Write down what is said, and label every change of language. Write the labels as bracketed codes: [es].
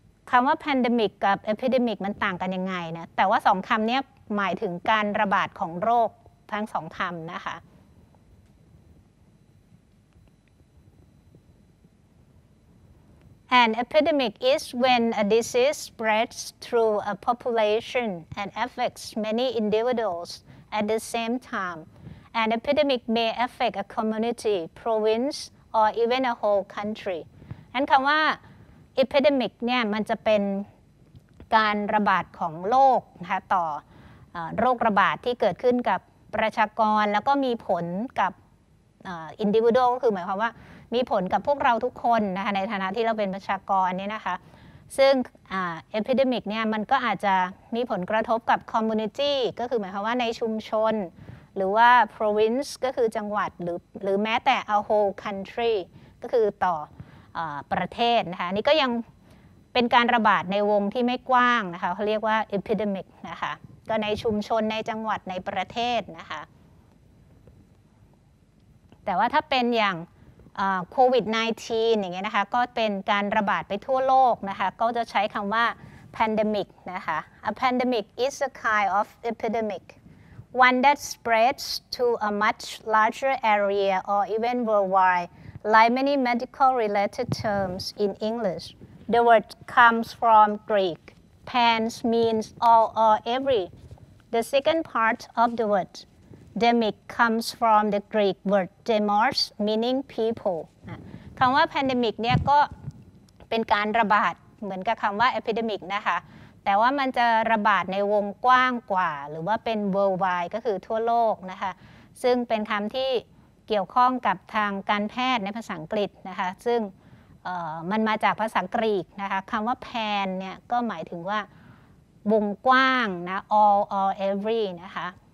[th] คำว่า pandemic กับ epidemic มันต่างกันยังไงนะแต่ว่า2คำนี้หมายถึงการระบาดของโรคทั้ง2คำนะคะ [en] An epidemic is when a disease spreads through a population and affects many individuals at the same time. An epidemic may affect a community, province, or even a whole country. [th] อันคำว่า epidemic เนี่ยมันจะเป็นการระบาดของโรคนะคะต่อโรคระบาดที่เกิดขึ้นกับประชากรแล้วก็มีผลกับindividual ก็คือหมายความว่ามีผลกับพวกเราทุกคนนะคะในฐานะที่เราเป็นประชากรเนี่ยนะคะซึ่งepidemic เนี่ยมันก็อาจจะมีผลกระทบกับ community ก็คือหมายความว่าในชุมชนหรือว่า province ก็คือจังหวัดหรือแม้แต่ [en] a whole country [th] ก็คือต่อ ประเทศนะคะนี่ก็ยังเป็นการระบาดในวงที่ไม่กว้างนะคะเขาเรียกว่า epidemic นะคะก็ในชุมชนในจังหวัดในประเทศนะคะแต่ว่าถ้าเป็นอย่างCOVID-19 อย่างเงี้ยนะคะก็เป็นการระบาดไปทั่วโลกนะคะก็จะใช้คำว่า pandemic นะคะ [en] a pandemic is a kind of epidemic one that spreads to a much larger area or even worldwide, like many medical-related terms in English. The word comes from Greek. Pans means all or every. The second part of the word, demic, comes from the Greek word demos, meaning people. [th] คำว่า pandemic เนี่ยก็เป็นการระบาดเหมือนกับคำว่า epidemic นะคะแต่ว่ามันจะระบาดในวงกว้างกว่าหรือว่าเป็น worldwide ก็คือทั่วโลกนะคะซึ่งเป็นคำที่เกี่ยวข้องกับทางการแพทย์ในภาษาอังกฤษนะคะซึ่งมันมาจากภาษากรีกนะคะคำว่าแพนเนี่ยก็หมายถึงว่าวงกว้างนะ [en] all or every [th] นะคะ